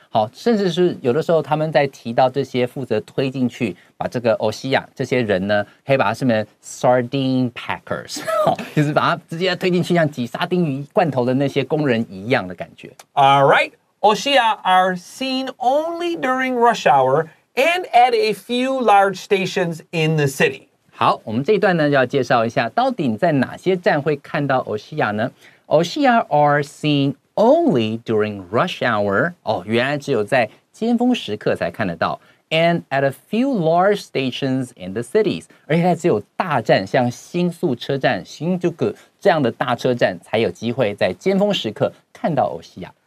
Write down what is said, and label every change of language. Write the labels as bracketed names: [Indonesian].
[Chinese] 好，甚至是有的时候他们在提到这些负责推进去把这个 Oshia 这些人呢可以把它称为 sardine packers, 就是把它直接推进去像挤沙丁鱼罐头的那些工人一样的感觉。 [English] All right, Oshia are seen only during rush hour and at a few large stations in the city. [Chinese] 好，我们这一段呢要介绍一下，到底你在哪些站会看到 Oshia 呢？ [English] Oshia are seen only during rush hour. [Chinese] 哦，原来只有在尖峰时刻才看得到。 [English] And at a few large stations in the cities. [Chinese] 而且它只有大站，像新宿车站、新宿这样的大车站，才有机会在尖峰时刻看到 Oshia。